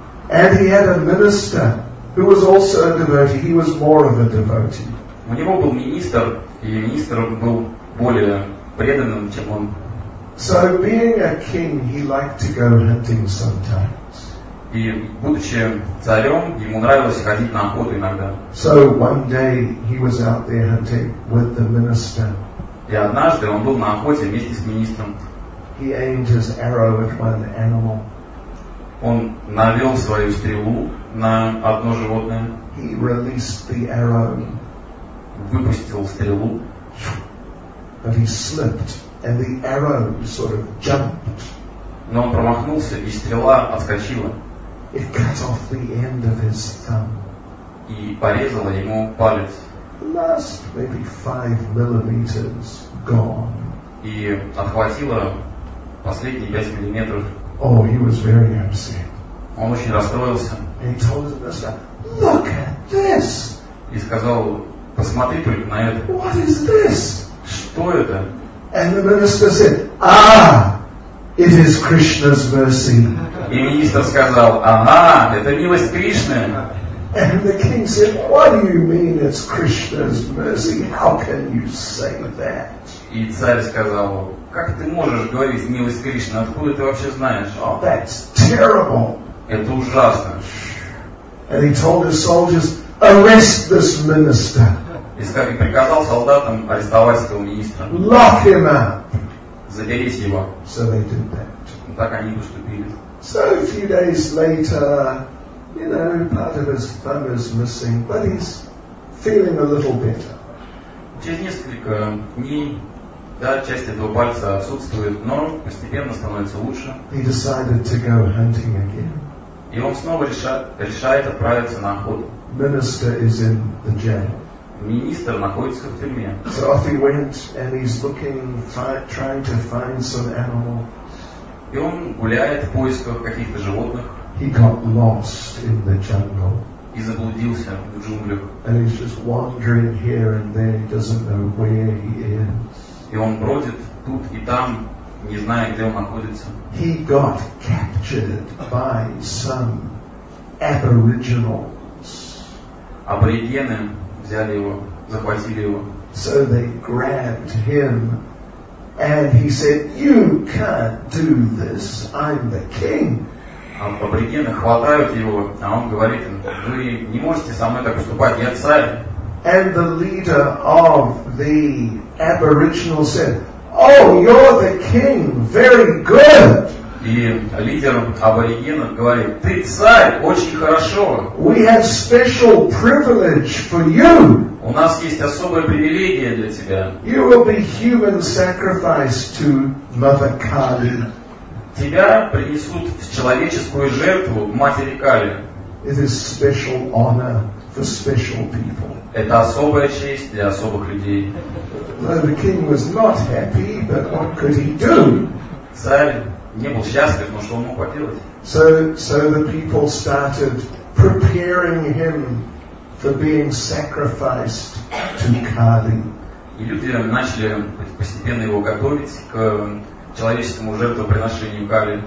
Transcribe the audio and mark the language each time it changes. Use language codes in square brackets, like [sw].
[en] And he had a minister who was also a devotee. He was more of a devotee. [ru] У него был министр, и министр был более преданным, чем он. [en] So being a king, he liked to go hunting sometimes. [ru] И будучи царем, ему нравилось ходить на охоту иногда. [en] So one day he was out there hunting with the minister. [ru] И однажды он был на охоте вместе с министром. [en] He aimed his arrow at one animal. [ru] Он навел свою стрелу на одно животное. [en] He released the arrow. [ru] Выпустил стрелу. [en] But he slipped, and the arrow sort of jumped. [ru] Но он промахнулся, и стрела отскочила. [en] It cut off the end of his thumb. [ru] И порезала ему палец. [en] Last maybe 5 millimeters gone. [ru] И отхватило последние 5 миллиметров. [en] Oh, he was very upset. [ru] Он очень расстроился. [en] And he told his master, "Look at this." [ru] И сказал, посмотри только на это. [en] What is this? [ru] Что это? [en] And the minister said, "Ah, it is Krishna's mercy." [ru] И министр сказал, ага, это милость Кришны. [en] And the king said, "What do you mean it's Krishna's mercy? How can you say that?" [ru] И царь сказал, как ты можешь говорить милость Кришны? Откуда ты вообще знаешь? [en] Oh, that's terrible. [ru] Это ужасно. [en] And he told his soldiers, "Arrest this minister." [ru] И приказал солдатам арестовать этого министра. [en] Lock him up. [ru] Заберись его. [en] So they did that. [ru] Так они поступили. [en] So a few days later, you know, part of his thumb is missing, but he's feeling a little better. [ru] Через несколько дней, да, часть этого пальца отсутствует, но постепенно становится лучше. [en] He decided to go hunting again. [ru] И он снова решает отправиться на охоту. [en] Minister is in the jail. [ru] Министр находится в тюрьме. [en] So off he went, and he's looking, trying to find some animal. [ru] И он гуляет в поисках каких-то животных. [en] He got lost in the jungle. [ru] И заблудился в джунглях. [en] And he's just wandering here and there, doesn't know where he is. [ru] И он бродит тут и там, не зная, где он находится. [en] He got captured by some aboriginals. [ru] Аборигены взяли его, захватили его. [en] So they grabbed him. And he said, "You can't do this. I'm the king." [ru] Аборигены хватают его, а он говорит им, вы не можете со мной так поступать, я царь. [en] And the leader of the aboriginal said, "Oh, you're the king. Very good." [ru] И лидер аборигенов говорит: «Ты царь, очень хорошо. [en] We have special privilege for you. [ru] У нас есть особая привилегия для тебя. [en] You will be human sacrifice to Mother Kali. [ru] Тебя принесут в человеческую жертву матери Кали. [en] It is special honor for special people. [ru] Это особая честь для особых людей. [en] Though the king was not happy, but what could he do? [ru] Царь не был счастлив, но что он мог поделать? [en] So the people started preparing him for being sacrificed to Kali. [ru] И люди начали постепенно его готовить к человеческому жертвоприношению Кали.